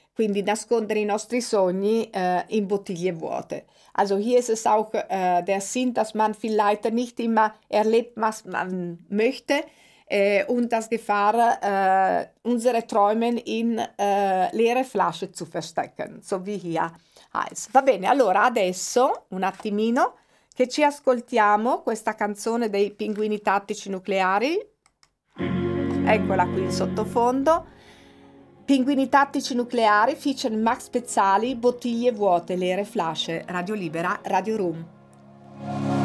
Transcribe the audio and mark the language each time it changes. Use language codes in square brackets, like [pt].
[it] Quindi nascondere i nostri sogni in bottiglie vuote. [de] Also hier ist es auch der Sinn, dass man vielleicht nicht immer erlebt, was man möchte, und das Gefahr, unsere Träume in leere Flasche zu verstecken, so wie hier heißt. [it] Va bene, allora adesso, un attimino, che ci ascoltiamo questa canzone dei Pinguini Tattici Nucleari. Eccola qui in sottofondo. Pinguini Tattici Nucleari, feature Max Pezzali, Bottiglie Vuote, [de] Leere Flasche, [it] Radio Libera, Radio Room.